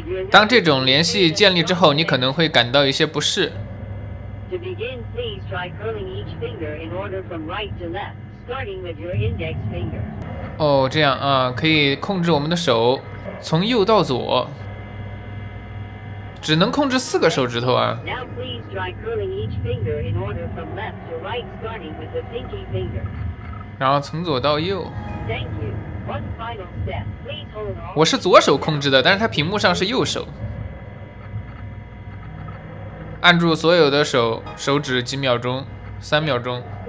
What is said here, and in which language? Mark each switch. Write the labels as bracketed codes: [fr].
[zh] 当这种联系建立之后，你可能会感到一些不适。 [en] To begin, please try curling each finger in order from right to left, starting with your index finger. [zh] 哦，这样啊，可以控制我们的手，从右到左，只能控制四个手指头啊。 [en] Now please try curling each finger in order from left to right, starting with the pinky finger. [zh] 然后从左到右。 [en] Thank you. One final step. Please hold on. [zh] 我是左手控制的，但是它屏幕上是右手。按住所有的手指几秒钟，三秒钟。